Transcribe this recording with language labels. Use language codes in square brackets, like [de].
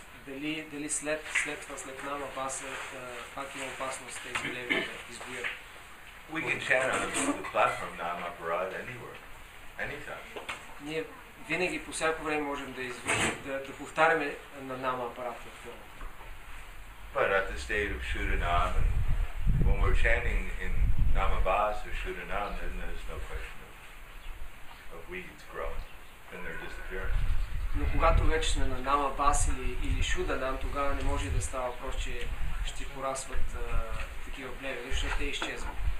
[bg] Дали след това, след Нама Паса, пак има опасност тези плевели да избуят? [en] We can chant on the platform Nama Parad anywhere, anytime. [bg] Ние винаги по всяко време можем да повтаряме на Нама Парад. [en] But at the state of Shudanam, and when we're chanting in Namavas or Shudanam, then there's no question of weeds growing and their disappearance. [bg] Но когато вече сме на Намавас или Шуданам, тогава не може да става въпрос, че ще порасват такива плевели, защото те изчезват.